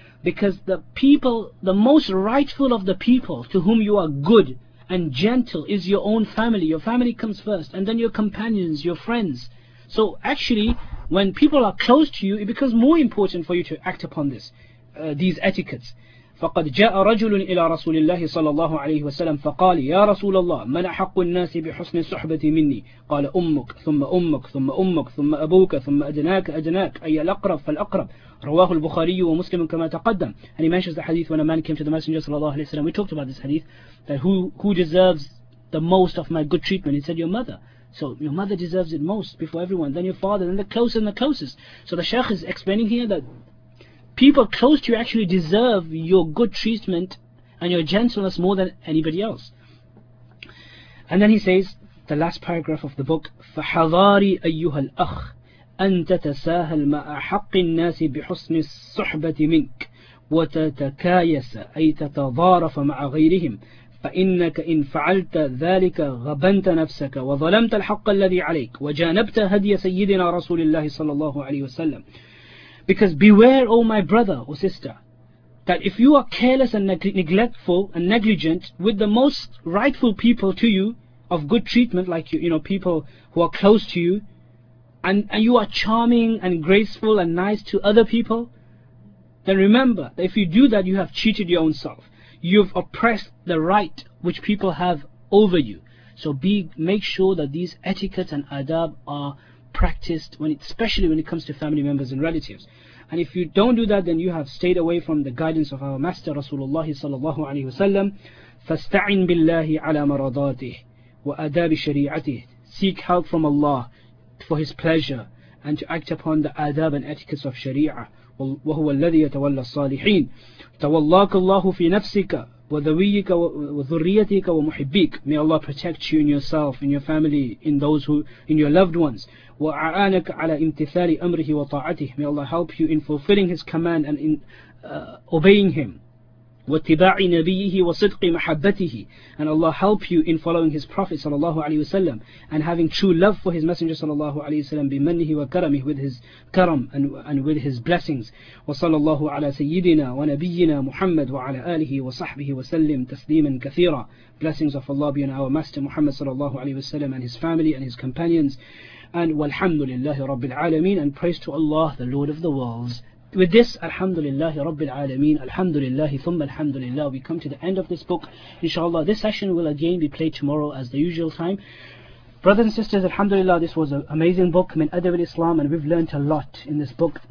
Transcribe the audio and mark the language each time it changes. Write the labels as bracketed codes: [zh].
[en] Because the people, the most rightful of the people to whom you are good and gentle is your own family. Your family comes first, and then your companions, your friends. So actually, when people are close to you, it becomes more important for you to act upon this, these etiquettes. [ar] فقد جاء رجل إلى رسول الله صلى الله عليه وسلم فقال يا رسول الله من أحق الناس بحسن صحبتي مني قال أمك ثم أمك ثم أمك ثم أبوك ثم أدناك أدناك أي الأقرب فالأقرب رواه البخاري ومسلم كما تقدم. [en] And he mentions the hadith when a man came to the Messenger صلى الله عليه وسلم. We talked about this hadith that who deserves the most of my good treatment. He said your mother. So your mother deserves it most before everyone, then your father, then the closest and the closest. So the Shaykh is explaining here that people close to you actually deserve your good treatment and your gentleness more than anybody else. And then he says, the last paragraph of the book, [ar] فَحَذَارِ أَيُّهَا الْأَخْ أَن تَتَسَاهَلْ مَا أَحَقِّ النَّاسِ بِحُسْنِ الصُّحْبَةِ مِنْكَ وَتَتَكَايَسَ أَيْ تَتَضَارَفَ مَعَ غَيْرِهِمْ فإنك إن فعلت ذلك غبنت نفسك وظلمت الحق الذي عليك وجانبت هدي سيدنا رسول الله صلى الله عليه وسلم. [en] Because beware, O my brother or sister, that if you are careless and neglectful and negligent with the most rightful people to you of good treatment, like you know people who are close to you, and you are charming and graceful and nice to other people, then remember that if you do that, you have cheated your own self. You've oppressed the right which people have over you. So make sure that these etiquettes and adab are practiced, especially when it comes to family members and relatives. And if you don't do that, then you have stayed away from the guidance of our Master Rasulullah sallallahu alaihi wasallam. [ar] فَاسْتَعِنْ بِاللَّهِ عَلَى مَرَضَاتِهِ وَأَدَابِ شَرِيعَتِهِ. [en] Seek help from Allah for His pleasure and to act upon the adab and etiquettes of Sharia. [ar] وهو الذي يتولى الصالحين تولاك الله في نفسك وذويك وذريتك ومحبيك. [en] May Allah protect you in yourself, in your family, in those who, in your loved ones. [ar] وعانك على امتثال أمره وطاعته. [en] May Allah help you in fulfilling His command and in obeying Him. [ar] واتباع نبيه وصدق محبته. [en] And Allah help you in following His Prophet صلى الله عليه وسلم and having true love for His Messenger صلى الله عليه وسلم [ar] بمنه وكرمه, [en] with His karam and with His blessings. [ar] وصلى الله على سيدنا ونبينا محمد وعلى آله وصحبه وسلم تسليما كثيرا. [en] Blessings of Allah be on our Master Muhammad صلى الله عليه وسلم and his family and his companions. [ar] And والحمد لله رب العالمين. [en] And praise to Allah, the Lord of the worlds. With this, Alhamdulillahi Rabbil Alameen, Alhamdulillahi Thumma Alhamdulillah, we come to the end of this book. Inshallah, this session will again be played tomorrow as the usual time. Brothers and sisters, Alhamdulillah, this was an amazing book, Min Adab al-Islam, and we've learnt a lot in this book.